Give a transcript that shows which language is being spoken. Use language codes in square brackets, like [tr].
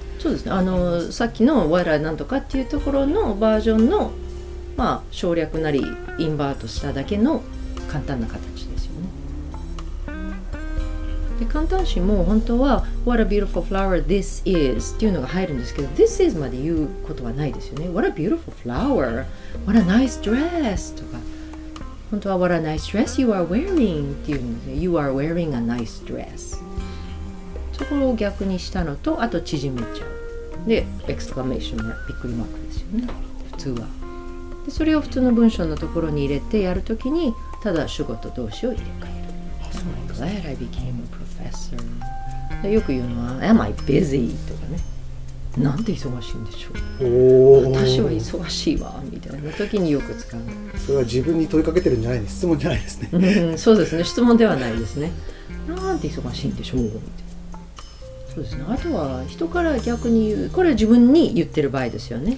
[ja] そうですね、あのさっきの我らなんとかっていうところのバージョンの、まあ、省略なりインバートしただけの簡単な形ですよね。で、簡単詞も本当は [en] What a beautiful flower this is [ja] っていうのが入るんですけど、 [en] This is [ja] まで言うことはないですよね。 [en] What a beautiful flower、 What a nice dress [ja] とか、本当は [en] What a nice dress you are wearing [ja] っていうのね。 [en] You are wearing a nice dress。 [ja] そこを逆にしたのと、あと縮めちゃう。で、exclamation mark、びっくりマークですよね、普通は。で、それを普通の文章のところに入れてやるときに、ただ主語と動詞を入れ替える。 [en] I'm glad I became a professor。 [ja] で、よく言うのは、 [en] Am I busy? [ja] とかね。なんて忙しいんでしょう、私は忙しいわみたいな時によく使う。それは自分に問いかけてるんじゃないね、質問じゃないですね。そうですね、質問ではないですね。なんて忙しいんでしょう、そうですね。あとは人から逆に言う、これは自分に言ってる場合ですよね、